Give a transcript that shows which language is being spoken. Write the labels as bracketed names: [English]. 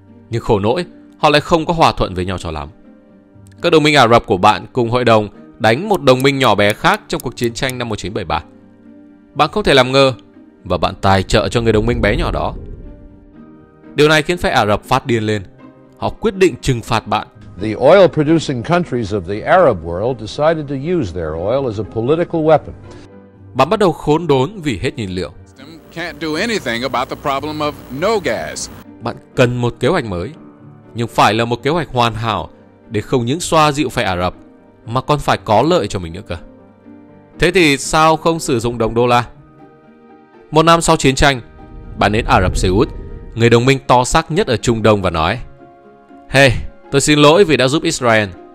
[Vietnamese] Nhưng khổ nỗi, họ lại không có hòa thuận với nhau cho lắm. Các đồng minh Ả Rập của bạn cùng hội đồng đánh một đồng minh nhỏ bé khác trong cuộc chiến tranh năm 1973. Bạn không thể làm ngơ và bạn tài trợ cho người đồng minh bé nhỏ đó. Điều này khiến phe Ả Rập phát điên lên. Họ quyết định trừng phạt bạn. [English] The oil producing countries of the Arab world decided to use their oil as a political weapon. [Vietnamese] Bạn bắt đầu khốn đốn vì hết nhiên liệu. [English] Can't do anything about the problem of no gas. [Vietnamese] Bạn cần một kế hoạch mới, nhưng phải là một kế hoạch hoàn hảo để không những xoa dịu phe Ả Rập mà còn phải có lợi cho mình nữa cơ. Thế thì sao không sử dụng đồng đô la? Một năm sau chiến tranh, bạn đến Ả Rập Xê Út, người đồng minh to xác nhất ở Trung Đông, và nói: "Hey, tôi xin lỗi vì đã giúp Israel.